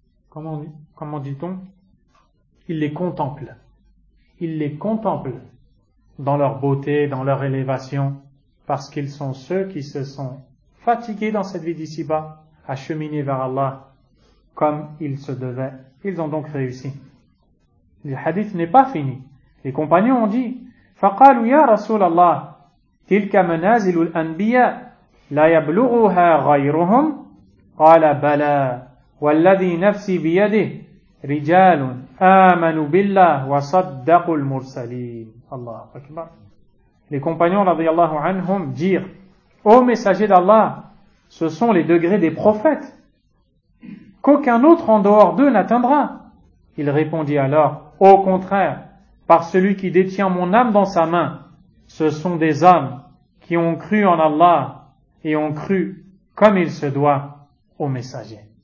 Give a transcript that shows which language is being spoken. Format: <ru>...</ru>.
<fr>Comment dit-on? Ils les contemplent. Ils les contemplent dans leur beauté, dans leur élévation, parce qu'ils sont ceux qui se sont fatigués dans cette vie d'ici-bas à cheminer vers Allah comme il se devait. Ils ont donc réussi. Le hadith n'est pas fini. Les compagnons ont dit:</fr> <ar>فَقَالُوا يَا رَسُولَ اللَّهِ تِلْكَ مَنَازِلُ الْأَنْبِيَاءِ لَا يَبْلُغُهَا غَيْرُهُمْ قَالَ بَلَى وَالَّذِي نَفْسِي بِيَدِهِ رِجَالٌ آمَنُوا بِاللَّهِ وَصَدَّقُوا الْمُرْسَلِينَ. الله أكبر.</ar> <fr>Les compagnons</fr> <ar>رضي الله عنهم</ar> <fr>dirent: Ô messager d'Allah, ce sont les degrés des prophètes qu'aucun autre en dehors d'eux n'atteindra. Il répondit alors: Au contraire, par celui qui détient mon âme dans sa main, ce sont des hommes qui ont cru en Allah et ont cru comme il se doit au messager.</fr>